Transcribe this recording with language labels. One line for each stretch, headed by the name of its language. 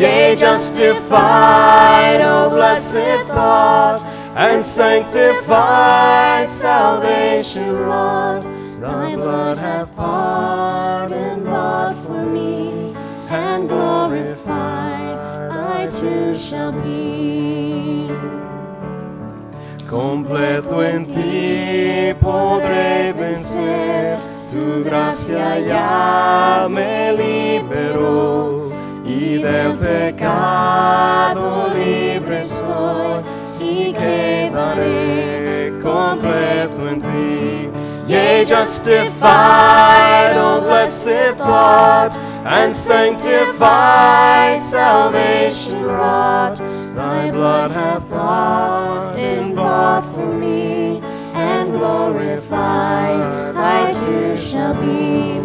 English: Yea, justified, O blessed thought, and sanctified, salvation wrought. Thy blood hath pardoned, bought for me, and glorified I too shall be.
Spanish: Completo en ti podré vencer, tu gracia ya me liberó, y del pecado libre soy, y quedaré completo en ti.
English: Yea, justified, oh blessed thought, and sanctified, salvation wrought. Thy blood hath bought for me, and glorified I too shall be.